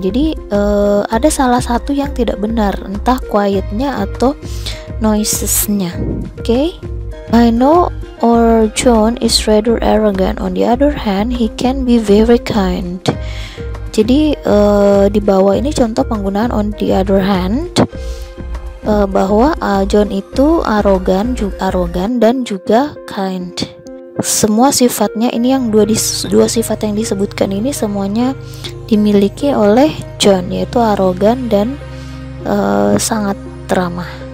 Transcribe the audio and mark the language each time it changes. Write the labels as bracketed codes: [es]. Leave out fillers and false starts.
[id] Jadi ada salah satu yang tidak benar, entah quietnya atau noisesnya. [en] Okay. I know or John is rather arrogant. On the other hand, he can be very kind. [id] Jadi di bawah ini contoh penggunaan on the other hand, bahwa John itu arogan, arogan dan juga kind. Semua sifatnya ini, yang dua sifat yang disebutkan ini semuanya dimiliki oleh John, yaitu arogan dan sangat ramah.